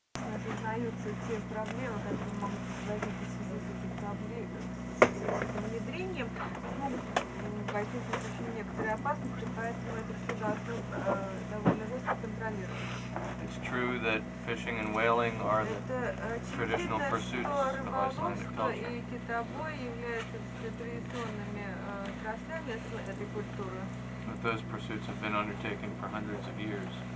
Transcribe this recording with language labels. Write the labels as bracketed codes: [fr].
[ru] осознаются те проблемы, которые могут возникнуть в связи с этим внедрением, возникнут очень некоторые опасности, поэтому это все должно довольно жестко контролировать. [en] It's true that fishing and whaling are the traditional pursuits of Icelandic culture. [ru] И китобой являются традиционными страстями этой культуры. [en] But those pursuits have been undertaken for hundreds of years.